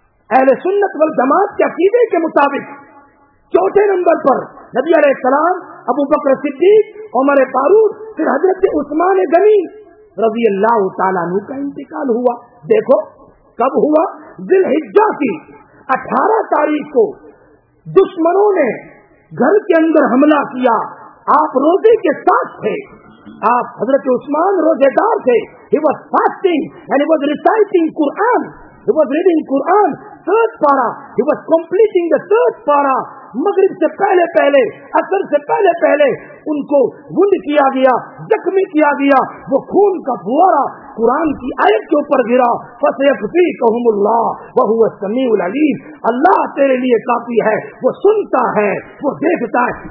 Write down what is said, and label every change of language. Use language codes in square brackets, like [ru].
[ur] اہل سنت والجماعت کے عقیدے کے مطابق چوتھے نمبر پر نبی علیہ السلام، ابو بکر صدیق، عمر فاروق، پھر حضرت عثمان غنی رضی اللہ تعالیٰ عنہ کا انتقال ہوا. دیکھو کب ہوا، ذوالحجہ کی 18 تاریخ کو دشمنوں نے گھر کے اندر حملہ کیا، آپ روزے کے ساتھ تھے، آپ حضرت عثمان روزے دار تھے. [en] He was fasting and he was reciting Quran. He was reading Quran, third para. He was completing the third para. [ur] مغرب سے پہلے پہلے، عصر سے پہلے پہلے ان کو وند کیا گیا، زخمی کیا گیا، وہ خون کا پھوارا قرآن کی آیت کے اوپر گرا. [ar] فَسَيَكْفِيكَهُمُ اللَّهُ وَهُوَ السَّمِيعُ الْعَلِيمُ، [ur] اللہ تیرے لیے کافی ہے، وہ سنتا ہے، وہ دیکھتا ہے.